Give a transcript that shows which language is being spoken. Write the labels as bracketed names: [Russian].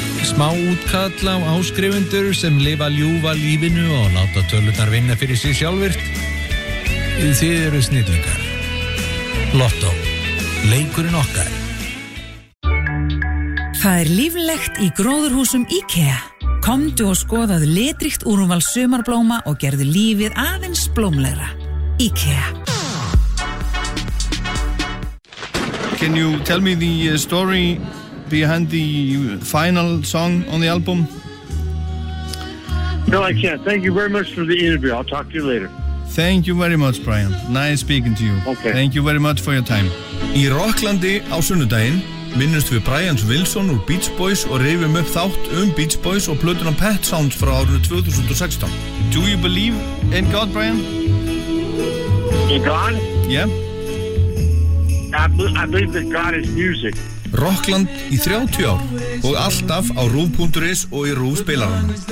[Icelandic] Smá útkall á áskrifendur sem lifa ljúfa lífinu og láta tölunar vinna fyrir sig sjálfvirt Þið eru snillingar Lotto Leikurinn okkar Það líflegt í gróðurhúsum IKEA Komdu og skoðaðu litríkt úrval sumarblóma og gerðu lífið aðeins blómlegra. IKEA. [English] Can you tell me the story behind the final song on the album? No, I can't. Thank you very much for the interview. I'll talk to you later. Thank you very much, Brian. Nice speaking to you. Okay. Thank you very much for your time. [Icelandic] Í Rocklandi á sunnudaginn minnust við Brian Wilson úr Beach Boys og reyfum upp þátt Beach Boys og plötuna Pet Sounds frá árinu 2016. [English] Do you believe in God, Brian? In God? Yeah. I believe that God is music. [Icelandic] Rockland í 30 ár og alltaf á Rúf.is og í Rúf spilaranum.